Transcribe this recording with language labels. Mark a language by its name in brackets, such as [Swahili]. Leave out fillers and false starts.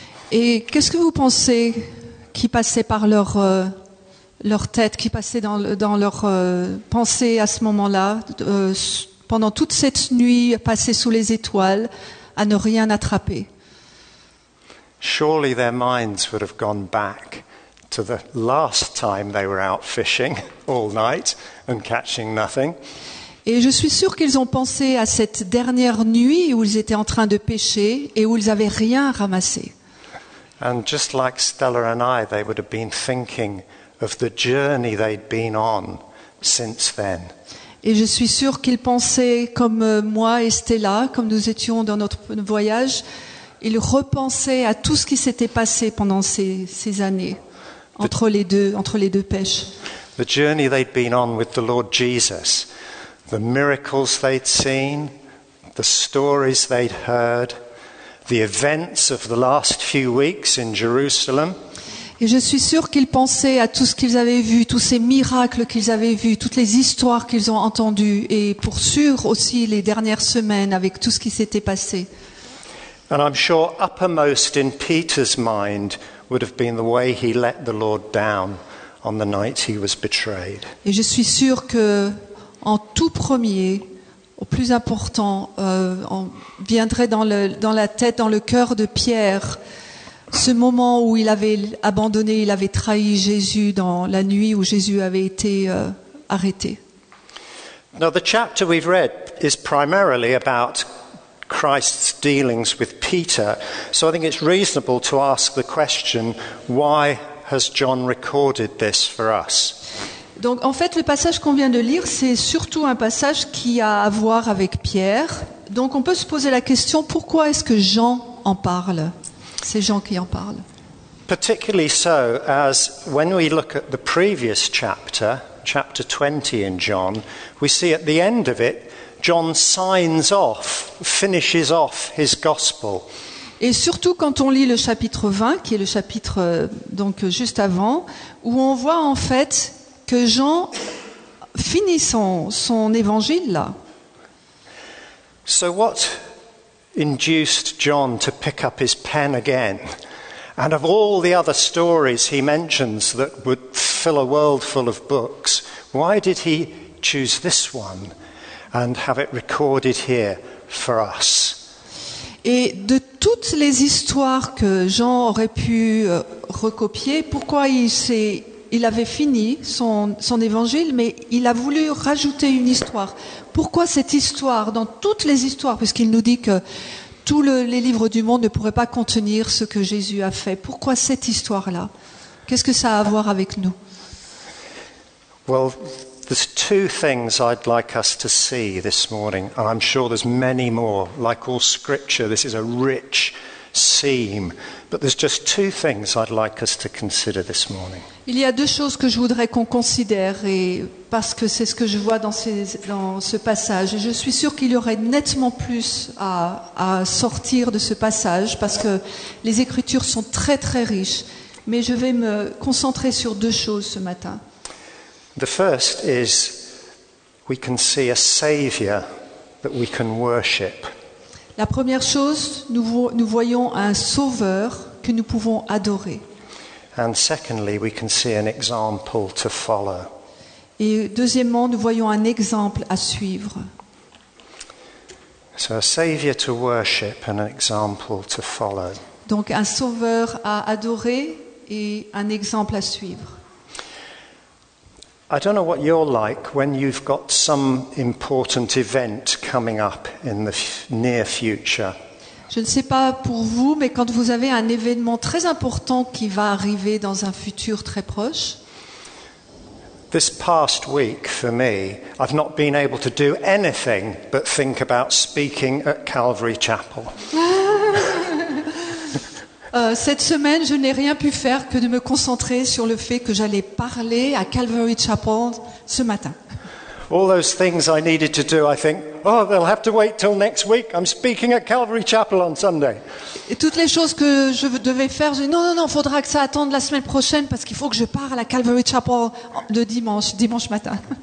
[French] Et qu'est-ce que vous pensez qui passait par leur tête, qui passait dans leur pensée à ce moment-là, pendant toute cette nuit passée sous les étoiles, à ne rien attraper? [English] Surely their minds would have gone back to the last time they were out fishing all night and catching nothing. [French] Et je suis sûre qu'ils ont pensé à cette dernière nuit où ils étaient en train de pêcher et où ils n'avaient rien ramassé. [English] And just like Stella and I, they would have been thinking of the journey they'd been on since then. [French] Et je suis sûre qu'ils pensaient, comme moi et Stella, comme nous étions dans notre voyage, ils repensaient à tout ce qui s'était passé pendant ces années, entre les deux pêches. [English] The journey they'd been on with the Lord Jesus, the miracles they'd seen, the stories they'd heard, the events of the last few weeks in Jerusalem. [French] Et je suis sûre qu'ils pensaient à tout ce qu'ils avaient vu, tous ces miracles qu'ils avaient vus, toutes les histoires qu'ils ont entendues, et pour sûr aussi les dernières semaines avec tout ce qui s'était passé. [English] And I'm sure uppermost in Peter's mind would have been the way he let the Lord down on the night he was betrayed. [French] Et je suis sûre que en tout premier, au plus important, on viendrait dans la tête, dans le cœur de Pierre, ce moment où il avait abandonné, il avait trahi Jésus dans la nuit où Jésus avait été arrêté. [English] Now the chapter we've read is primarily about Christ's dealings with Peter. So I think it's reasonable to ask the question, why has John recorded this for us? [French] Donc en fait, le passage qu'on vient de lire, c'est surtout un passage qui a à voir avec Pierre. Donc on peut se poser la question, pourquoi est-ce que Jean en parle? C'est Jean qui en parle. [English] Particularly so as when we look at the previous chapter, chapter 20 in John, we see at the end of it, John signs off, finishes off his gospel. [French] Et surtout quand on lit le chapitre 20, qui est le chapitre donc juste avant, où on voit en fait que Jean finit son évangile là. [English] So what induced John to pick up his pen again? And of all the other stories he mentions that would fill a world full of books, why did he choose this one and have it recorded here for us? [French] Et de toutes les histoires que Jean aurait pu recopier, pourquoi il avait fini son évangile, mais il a voulu rajouter une histoire. Pourquoi cette histoire, dans toutes les histoires, puisqu'il nous dit que tous les livres du monde ne pourraient pas contenir ce que Jésus a fait, pourquoi cette histoire-là? Qu'est-ce que ça a à voir avec nous? [English] Well, there's two things I'd like us to see this morning, and I'm sure there's many more. Like all scripture, this is a rich seam, but there's just two things I'd like us to consider this morning. [French] Il y a deux choses que je voudrais qu'on considère, et parce que c'est ce que je vois dans ce passage. Je suis sûre qu'il y aurait nettement plus à sortir de ce passage, parce que les Écritures sont très très riches. Mais je vais me concentrer sur deux choses ce matin. [English] The first is we can see a savior that we can worship. [French] La première chose, nous voyons un sauveur que nous pouvons adorer. [English] And secondly, we can see an example to follow. [French] Et deuxièmement, nous voyons un exemple à suivre. [English] So a savior to worship and an example to follow. [French] Donc un sauveur à adorer et un exemple à suivre. [English] I don't know what you're like when you've got some important event coming up in the near future. [French] Je ne sais pas pour vous, mais quand vous avez un événement très important qui va arriver dans un futur très proche. [English] This past week for me, I've not been able to do anything but think about speaking at Calvary Chapel. [French] Cette semaine, je n'ai rien pu faire que de me concentrer sur le fait que j'allais parler à Calvary Chapel ce matin. [English] All those things I needed to do, I think, oh, they'll have to wait till next week. I'm speaking at Calvary Chapel on Sunday. [French] Et toutes les choses que je devais faire, je dis, non, faudra que ça attende la semaine prochaine parce qu'il faut que je parte à la Calvary Chapel de dimanche matin.